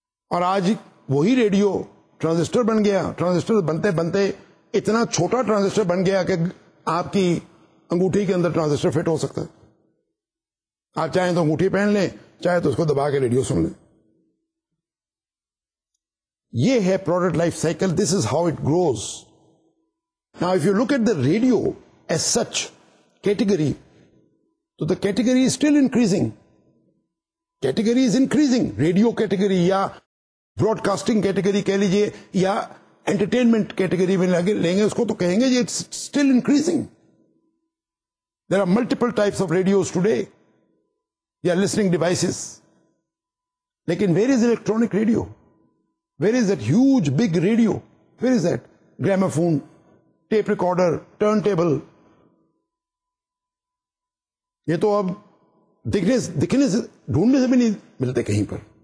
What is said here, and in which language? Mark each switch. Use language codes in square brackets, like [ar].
[ur] اور آج وہی ریڈیو ٹرانزسٹر بن گیا, ٹرانزسٹر بنتے بنتے اتنا چھوٹا ٹرانزسٹر بن گیا کہ آپ کی انگوٹھی کے اندر ٹرانزسٹر فٹ ہو سکتا ہے. آپ چاہیں تو انگوٹھی پہن لیں, چاہے تو اس کو دبا کے ریڈیو سن لیں. یہ ہے product life cycle, [en] This is how it grows. Now if you look at the radio as such category, تو the category is still increasing, category is increasing. [ur] Radio category یا براڈ کاسٹنگ کیٹیگری کہہ لیجیے, یا entertainment category میں لیں گے اس کو تو کہیں گے جی [en] It's still increasing. There are multiple types of radios today, they are listening devices. لیکن where is electronic radio? Where is that huge big radio? Where is that gramophone, tape recorder, turntable? [ur] یہ تو اب دکھنے سے ڈھونڈنے سے بھی نہیں ملتے کہیں پر.